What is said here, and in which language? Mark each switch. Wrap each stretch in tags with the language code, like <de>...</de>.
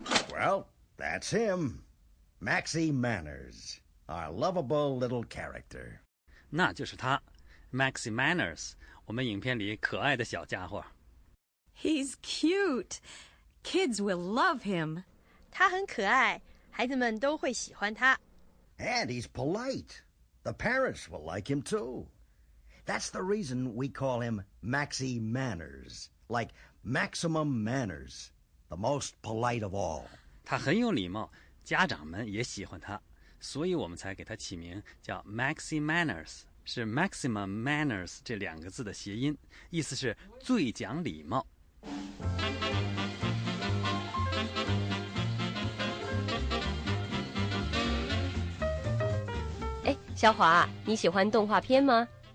<en>Well, that's him. Maxie Manners, our lovable little character.</en> <zh>那就是他, Maxie Manners, 我们影片里可爱的小家伙。He's</zh> <en>cute. Kids will love him.</en> <zh>他很可爱, 孩子们都会喜欢他。And</zh> <en>he's polite. The parents will like him too. That's the reason we call him Maxie Manners, like maximum manners, the most polite of all.</en> <zh>他很有礼貌,家长们也喜欢他,所以我们才给他起名叫Maxie Manners, 是</zh> <en>maximum manners</en> <zh>这两个字的谐音,意思是最讲礼貌。诶,小华,你喜欢动画片吗?</zh>